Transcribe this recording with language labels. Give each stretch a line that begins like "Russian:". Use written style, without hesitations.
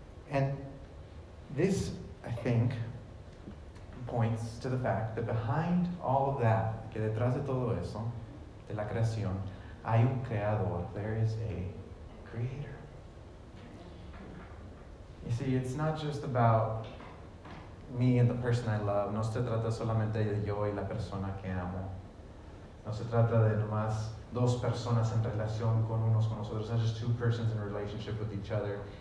English: And this, I think, points to the fact that behind all of that,
Spanish: que detrás de todo eso, de la creación, hay un creador.
English: There is a creator. You see, it's not just about me and the person I love.
Spanish: No se trata solamente de yo y la persona que amo. No se trata de nomás dos personas en relación con unos con nosotros.
English: It's not just two persons in relationship with each other.